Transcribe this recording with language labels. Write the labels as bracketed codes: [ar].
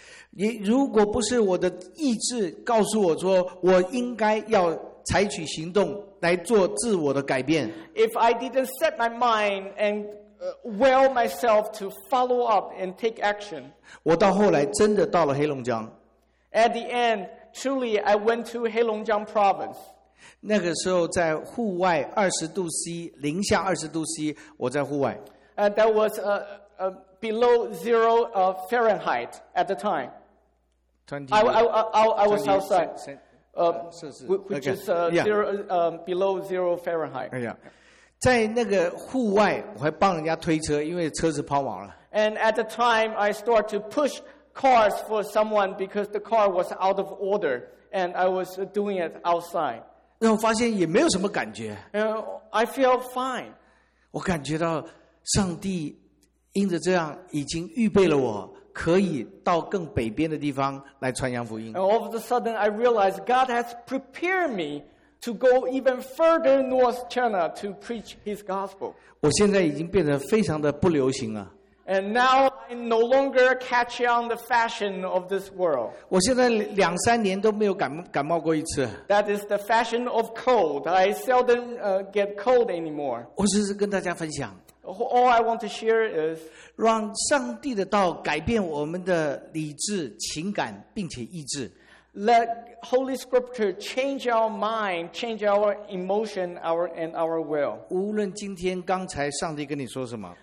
[zh] 你如果不是我的意志告诉我说我应该要采取行动来做自我的改变。 [en] If I didn't set my mind and will myself to follow up and take action. [zh] 我到后来真的到了黑龙江。 [en] At the end, truly I went to Heilongjiang province. [zh] 那个时候在户外20°C, -20°C, 我在户外。 [en] That was below zero Fahrenheit at the time. 20, I was outside, which is zero, below zero Fahrenheit. [zh] 哎呀，在那个户外，我还帮人家推车，因为车子抛锚了。 [en] And at the time, I started to push cars for someone because the car was out of order, and I was doing it outside. [zh] 然后发现也没有什么感觉。 [en] I feel fine. [zh] 我感觉到上帝因着这样已经预备了我。可以到更北边的地方来传扬福音。 [en] And all of a sudden, I realized God has prepared me to go even further north China to preach His gospel. [zh] 我现在已经变得非常的不流行了。 [en] And now I no longer catch on the fashion of this world. [zh] 我现在两三年都没有感冒过一次。 [en] That is the fashion of cold. I seldom get cold anymore. [zh] 我只是跟大家分享。 [en] All I want to share is [zh] 让上帝的道改变我们的理智、情感，并且意志。 [en] Let Holy Scripture change our mind, change our emotion, and our will. [zh] 无论今天刚才上帝跟你说什么